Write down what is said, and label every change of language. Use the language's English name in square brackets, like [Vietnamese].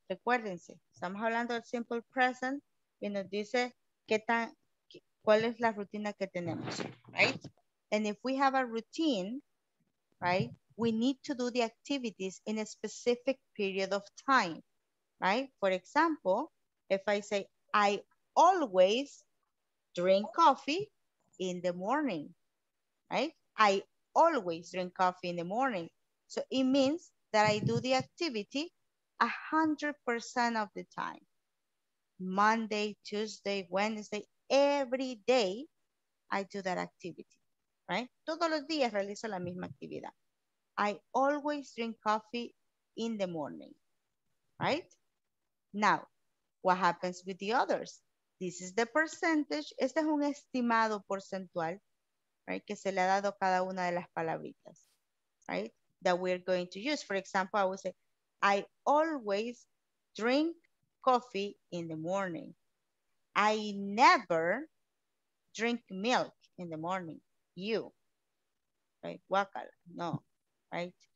[Spanish] Recuérdense, estamos hablando del simple present y nos dice, ¿cuál es la rutina que tenemos, right? [English] And if we have a routine, right, we need to do the activities in a specific period of time, right? For example, if I say, I always drink coffee in the morning, right? I always drink coffee in the morning. So it means that I do the activity 100% of the time. Monday, Tuesday, Wednesday, every day I do that activity, right? [Spanish] Todos los días realizo la misma actividad. [English] I always drink coffee in the morning, right? Now, what happens with the others? This is the percentage. [Spanish] Este es un estimado porcentual, right? Que se le ha dado cada una de las palabritas, right? [English] That we're going to use. For example, I would say, I always drink coffee in the morning. I never drink milk in the morning. You, right? Guacala, no, right?